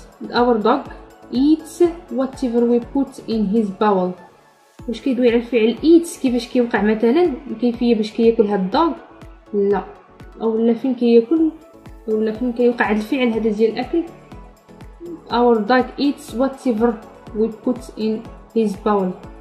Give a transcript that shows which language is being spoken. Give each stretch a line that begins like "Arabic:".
English: our dog eats whatever we put in his bowl.
Arabic: واش كيدوي على الفعل eat كيفاش كيوقع مثلا كيفيه باش كياكل هاد الدوغ لا اولا فين كياكل اولا فين كيوقع هاد الفعل هذا ديال الاكل.
English: our dog eats whatever we put in his bowl.